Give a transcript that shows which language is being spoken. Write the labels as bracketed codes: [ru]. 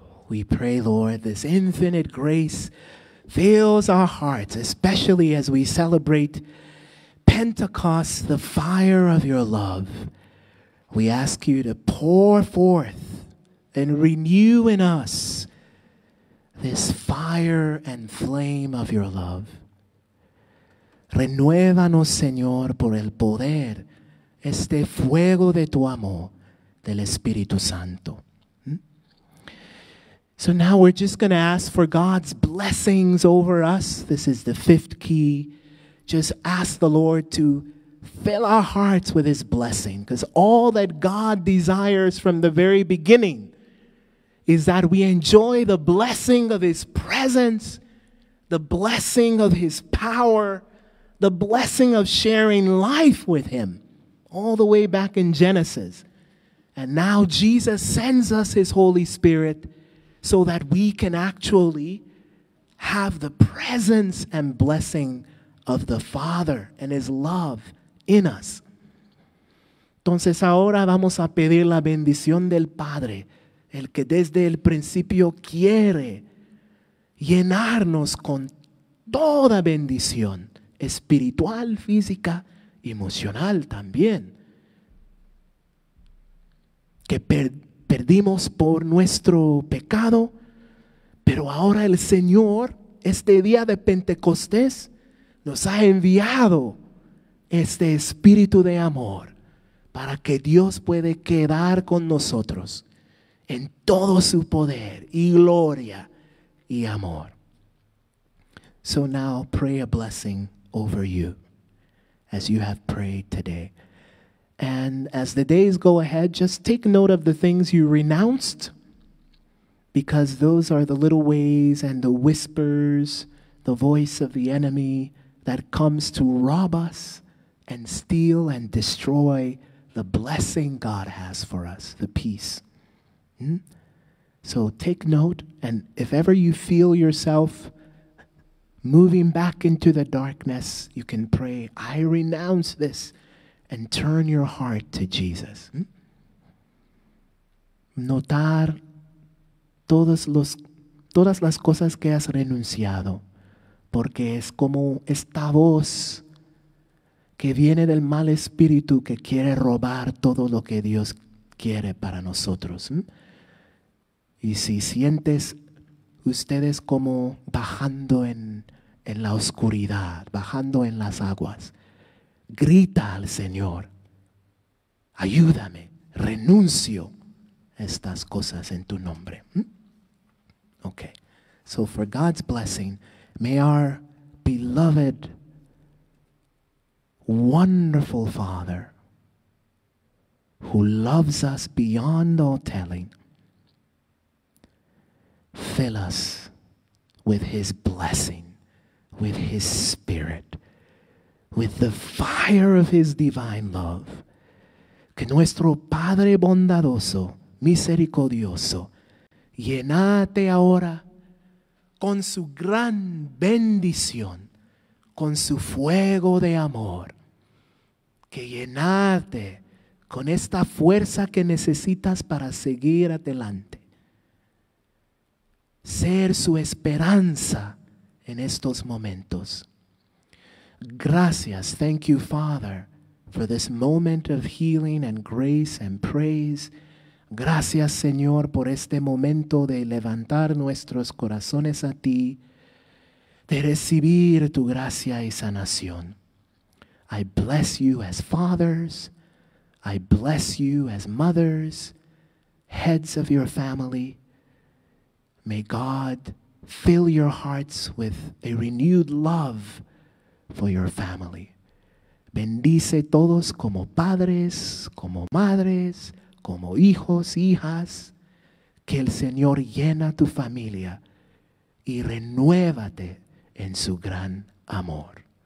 [en] This infinite grace fills our hearts, especially as we celebrate Pentecost, the fire of your love. We ask you to pour forth and renew in us this fire and flame of your love. [es] Renuévanos, Señor, por el poder, este fuego de tu amor, del Espíritu Santo. [en] So now we're just going to ask for God's blessings over us. This is the fifth key. Just ask the Lord to fill our hearts with his blessing. Because all that God desires from the very beginning is that we enjoy the blessing of his presence, the blessing of his power, the blessing of sharing life with him, all the way back in Genesis. And now Jesus sends us his Holy Spirit so that we can actually have the presence and blessing of the Father and his love in us. [es] Entonces ahora vamos a pedir la bendición del Padre, el que desde el principio quiere llenarnos con toda bendición espiritual, física, emocional también, que perdimos por nuestro pecado, pero ahora el Señor, este día de Pentecostés, nos ha enviado este espíritu de amor para que Dios puede quedar con nosotros en todo su poder y gloria y amor. [en] So now pray a blessing over you as you have prayed today. And as the days go ahead, just take note of the things you renounced, because those are the little ways and the whispers, the voice of the enemy that comes to rob us and steal and destroy the blessing God has for us, the peace. So take note, and if ever you feel yourself moving back into the darkness, you can pray, I renounce this. And turn your heart to Jesus. [es] Notar todas las cosas que has renunciado, porque es como esta voz que viene del mal espíritu que quiere robar todo lo que Dios quiere para nosotros. Y si sientes ustedes como bajando en la oscuridad, bajando en las aguas, grita al Señor, ayúdame, renuncio estas cosas en tu nombre. [en] Okay, so for God's blessing, may our beloved, wonderful Father, who loves us beyond all telling, fill us with his blessing. with His Spirit, with the fire of His divine love. [es] Que nuestro Padre bondadoso, misericordioso, llénate ahora con su gran bendición, con su fuego de amor. Que llénate con esta fuerza que necesitas para seguir adelante. Ser su esperanza en estos momentos. Gracias, [en] thank you, Father, for this moment of healing and grace and praise. [es] Gracias, Señor, por este momento de levantar nuestros corazones a ti, de recibir tu gracia y sanación. [en] I bless you as fathers. I bless you as mothers, heads of your family. May God fill your hearts with a renewed love for your family. [es] Bendice todos como padres, como madres, como hijos, hijas. Que el Señor llena tu familia y renuévate en su gran amor.